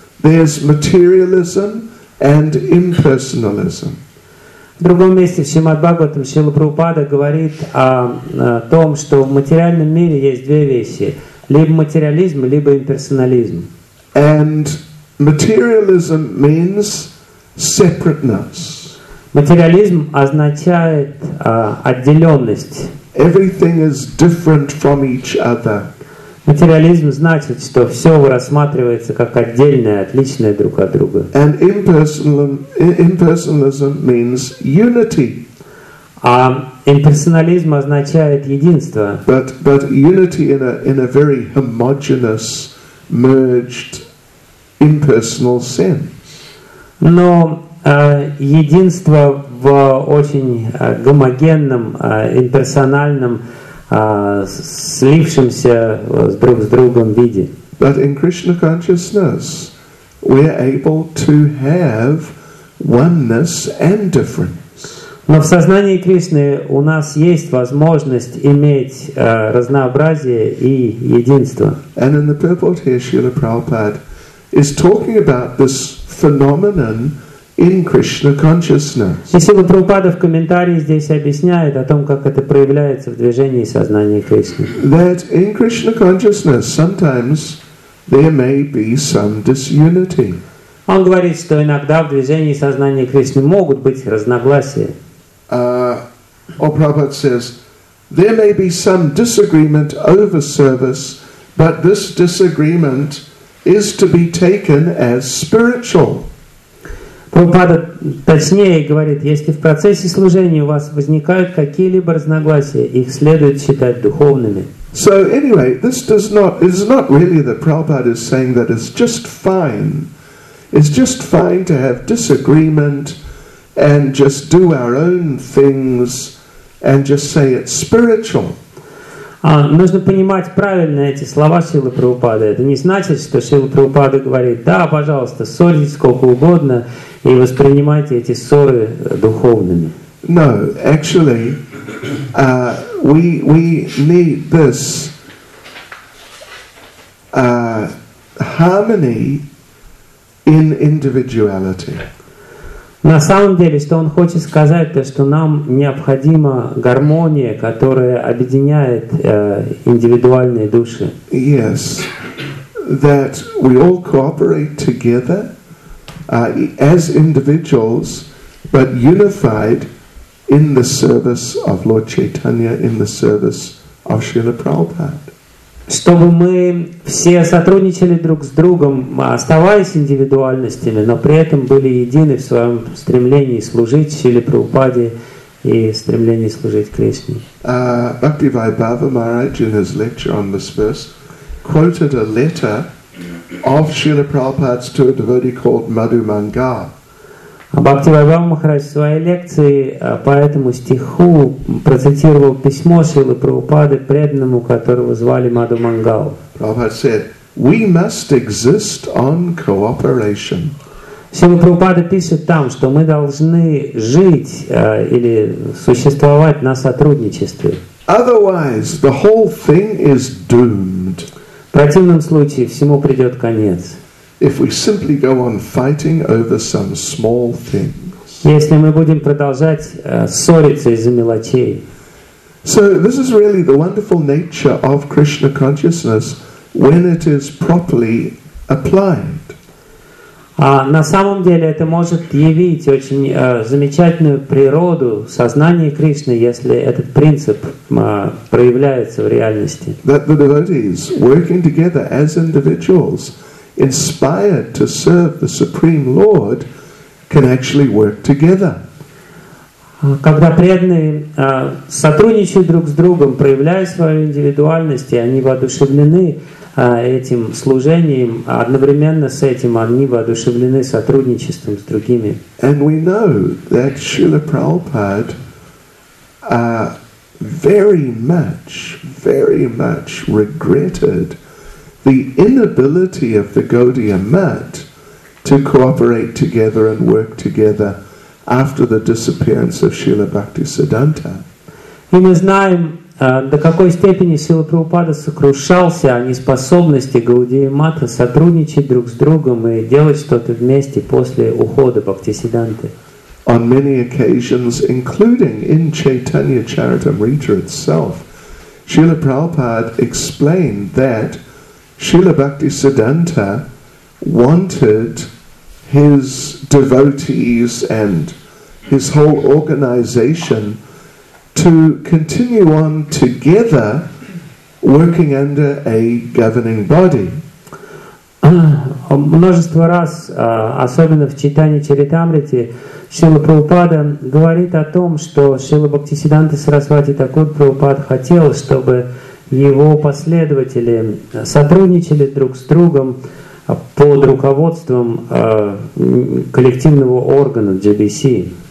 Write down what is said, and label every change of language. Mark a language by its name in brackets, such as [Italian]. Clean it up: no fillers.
[English] There's materialism and impersonalism. [Russian] В другом месте в Шримад Бхагаватам Шрила Прабхупада говорит о том, что в материальном мире есть две вещи. Либо материализм, либо имперсонализм. [English] And materialism means separateness. [Russian] Материализм означает отделенность. [English] Everything is different from each other. [Russian] Материализм значит, что все рассматривается как отдельное, отличное друг от друга. [English] And impersonalism means unity. [Russian] А имперсонализм означает единство. [English] But unity in a very homogeneous, merged, impersonal sense. [Russian] Но единство в очень гомогенном, имперсональном, слившемся друг с другом виде. [English] But in Krishna consciousness, we're able to have oneness and difference. [Russian] Но в сознании Кришны у нас есть возможность иметь разнообразие и единство. [English] And in the purport here, Srila Prabhupada is talking about this phenomenon in Krishna consciousness. [Russian] И Сила Прабхупада в комментарии здесь объясняет о том, как это проявляется в движении сознания Кришны. [English] That in Krishna consciousness sometimes there may be some disunity. [Russian] Он говорит, что иногда в движении сознания Кришны могут быть разногласия. [English] Or Prabhupada says, there may be some disagreement over service, but this disagreement is to be taken as spiritual. [Russian] Прабхупада точнее говорит, если в процессе служения у вас возникают какие-либо разногласия, их следует считать духовными. [English] So anyway, this does not, it's not really that Prabhupada is saying that it's just fine. It's just fine to have disagreement and just do our own things and just say it's spiritual. [Russian] Нужно понимать правильно эти слова Шрилы Прабхупады. Это не значит, что Шрила Прабхупада говорит, да, пожалуйста, ссорьтесь сколько угодно и воспринимайте эти ссоры духовными. [English] No, actually, we need this harmony in individuality. [Russian] На самом деле, что он хочет сказать, то, что нам необходима гармония, которая объединяет индивидуальные души. [English] Yes, that we all cooperate together as individuals, but unified in the service of Lord Chaitanya, in the service of Srila Prabhupada. [Russian] Чтобы мы все сотрудничали друг с другом, оставаясь индивидуальностями, но при этом были едины в своем стремлении служить Шриле Прабхупаде и стремлении служить Кришне. [English] Бхактивайбхава Махарадж in his lecture on this verse quoted a letter of Srila Prabhupada to a devotee called Madhu Mangal. [Russian] Бхактивайбхава Махарадж в своей лекции по этому стиху процитировал письмо Шрилы Прабхупады преданному, которого звали Маду Мангал. [English] Прабхупада said, we must exist on cooperation. [Russian] Шрила Прабхупада пишет там, что мы должны жить или существовать на сотрудничестве. [English] Otherwise, the whole thing is doomed. [Russian] В противном случае всему придет конец. [English] If we simply go on fighting over some small things. [Russian] Если мы будем продолжать ссориться из-за мелочей. [English] So this is really the wonderful nature of Krishna consciousness when it is properly applied. [Russian] На самом деле это может явить очень замечательную природу сознания Кришны, если этот принцип проявляется в реальности. [English] That the devotees working together as individuals inspired to serve the Supreme Lord can actually work together. [Russian] Когда преданные сотрудничают друг с другом, проявляя свою индивидуальность, и они воодушевлены этим служением, одновременно с этим они воодушевлены сотрудничеством с другими. [English] And we know that Srila Prabhupada very much regretted the inability of the Gaudiya Math to cooperate together and work together after the disappearance of Srila Bhaktisiddhanta. [Russian] И мы знаем, до какой степени Шрила Прабхупада сокрушался о неспособности Гаудии Матха сотрудничать друг с другом и делать что-то вместе после ухода Бхактисиддханты. [English] On many occasions, including in Chaitanya Charitamrita itself, Srila Prabhupada explained that Srila Bhaktisiddhanta wanted his devotees and his whole organization to continue on together working under a governing body. [Russian] Множество раз, особенно в Чайтанье Чаритамрите, Шрила Прабхупада говорит о том, что Шрила Бхактисиддханта Сарасвати Такур Прабхупад хотел, чтобы его последователи сотрудничали друг с другом под руководством коллективного органа JBC.